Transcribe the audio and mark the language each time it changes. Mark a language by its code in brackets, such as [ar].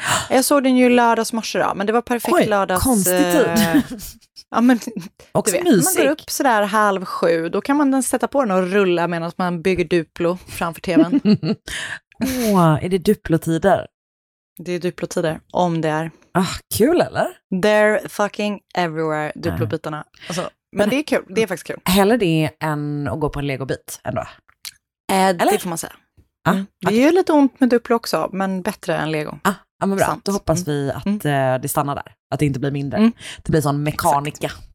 [sv] Jag såg den ju lördagsmorse då, men det var perfekt. Oj, lördags... konstigt. Ja, men också vet, man går upp sådär 6:30, då kan man sätta på den och rulla medan man bygger Duplo framför tvn. Är det Duplo-tider? Det är Duplo-tider, om det är. Kul, eller? [en] They're fucking everywhere, [sv] Duplo-bitarna. Alltså, men det är kul, det är faktiskt kul. Heller det än att gå på en Lego-bit ändå? Eller? Det får man säga. Det är ju lite ont med Duplo också, men bättre än Lego. Ja, men bra. Sant. Då hoppas vi att det stannar där. Att det inte blir mindre. Det blir sån mekanika.